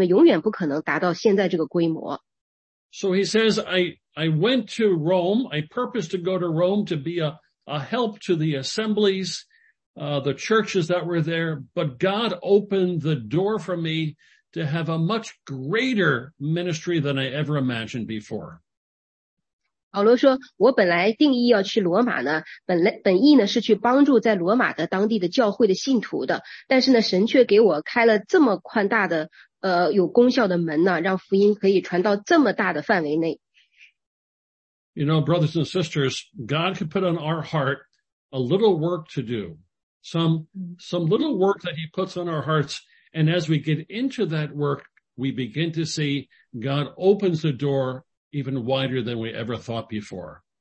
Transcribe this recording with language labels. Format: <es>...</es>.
<zh>所以你看，我们在这里能够看出啊，保罗他传福音的这个影响的这个范围有多大。如果他不坐监牢的话呢，他的这个福音的传播的范围永远不可能达到现在这个规模。</zh> <en>So he says, I went to Rome. I purposed to go to Rome to be a help to the assemblies, the churches that were there. But God opened the door for me to have a much greater ministry than I ever imagined before.</en> <zh>保罗说，我本来定义要去罗马呢，本意呢是去帮助在罗马的当地的教会的信徒的，但是呢，神却给我开了这么宽大的有功效的门呢，让福音可以传到这么大的范围内。</zh> <en>You know, brothers and sisters, God could put on our heart a little work to do, some little work that he puts on our hearts, and as we get into that work, we begin to see God opens the door even wider than we ever thought before.</en>